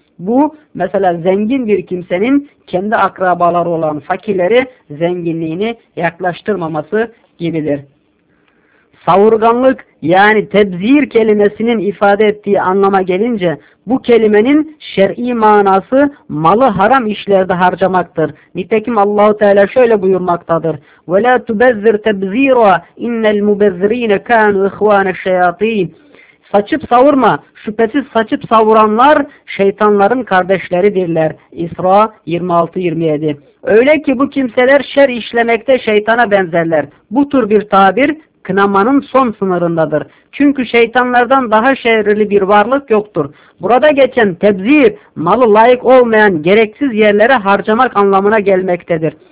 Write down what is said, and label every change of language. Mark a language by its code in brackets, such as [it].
[tr] Bu mesela zengin bir kimsenin kendi akrabaları olan fakirleri zenginliğini yaklaştırmaması gibidir. Savurganlık yani tebzir kelimesinin ifade ettiği anlama gelince bu kelimenin şer'i manası malı haram işlerde harcamaktır. Nitekim Allah-u Teala şöyle buyurmaktadır. [ar] وَلَا تُبَذِّرْ تَبْزِيرًا اِنَّ الْمُبَذِّر۪ينَ كَانُوا اِخْوَانَ الشَّيَاط۪ينَ [tr] Saçıp savurma, şüphesiz saçıp savuranlar şeytanların kardeşleridirler. İsra 26-27. Öyle ki bu kimseler şer işlemekte şeytana benzerler. Bu tür bir tabir kınamanın son sınırındadır. Çünkü şeytanlardan daha şerirli bir varlık yoktur. Burada geçen tebzir, malı layık olmayan gereksiz yerlere harcamak anlamına gelmektedir.